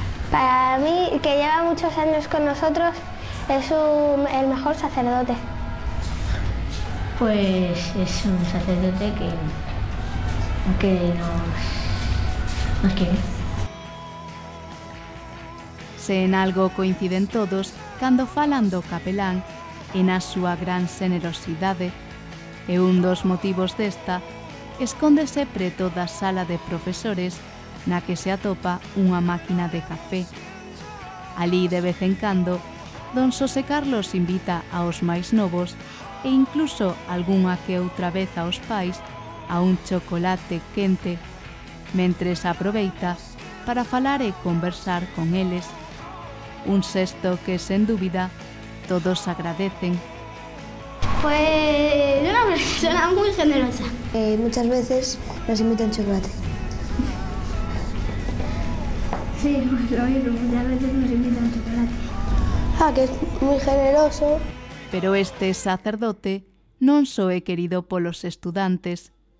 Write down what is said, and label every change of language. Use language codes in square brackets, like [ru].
[es] Para mí, que lleva muchos años con nosotros, es el mejor sacerdote. Pues es un sacerdote que nos quiere. [gl] Se en algo coinciden todos, cando falan do capelán en a súa gran xenerosidade, e un dos motivos desta escóndese preto da sala de profesores na que se atopa unha máquina de café. Alí, de vez en cando, don Xosé Carlos invita aos máis novos e incluso algunha que outra vez aos pais a un chocolate quente, mentres aproveita para falar e conversar con eles. Un xesto que, sen dúbida, todos agradecen. [es] Pues una persona muy generosa. Muchas veces nos invitan chocolate. Sí, pues lo mismo, muchas veces nos invitan chocolate. Ah, que es muy generoso. [gl] Pero este sacerdote non só é querido polos estudantes.